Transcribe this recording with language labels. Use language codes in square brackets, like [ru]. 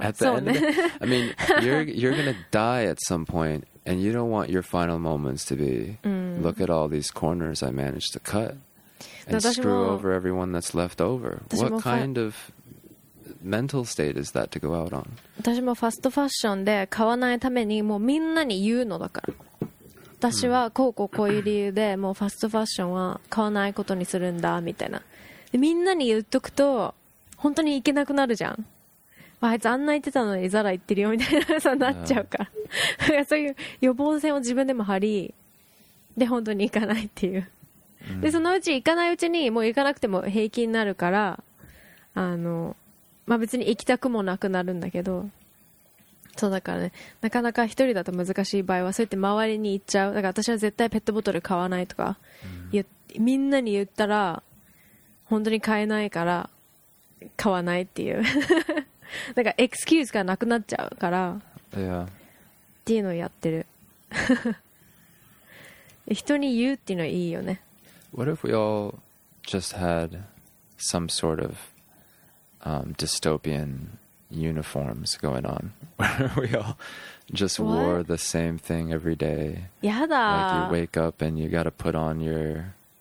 [en] at the end of it. I mean, you're gonna die at some point and you don't want your final moments to be、 mm. look at all these corners I managed to cut and screw over everyone that's left over. What kind of mental state is that to go out on? [ja] 私もファストファッションで買わないためにもうみんなに言うのだから、私はこうこうこういう理由でもうファストファッションは買わないことにするんだみたいな、でみんなに言っとくと本当に行けなくなるじゃん、あいつあんな言ってたのにザラ言ってるよみたいな、そうなっちゃうから、 [en] yeah. [ja] そういう予防線を自分でも張りで本当に行かないっていう、でそのうち行かないうちにもう行かなくても平気になるから、あのまあ、別に行きたくもなくなるんだけど、そうだからね、なかなか一人だと難しい場合はそうやって周りに行っちゃう、だから私は絶対ペットボトル買わないとか、うん、みんなに言ったら本当に買えないから買わないっていうなんかエクスキューズがなくなっちゃうから、 [en] yeah. [ja] っていうのをやってる人に言うっていうのはいいよね。 [en] What if we all just had some sort ofdystopian uniforms going on where we all just、 What? wore the same thing every day. Yeah, like you wake up and you got to put on your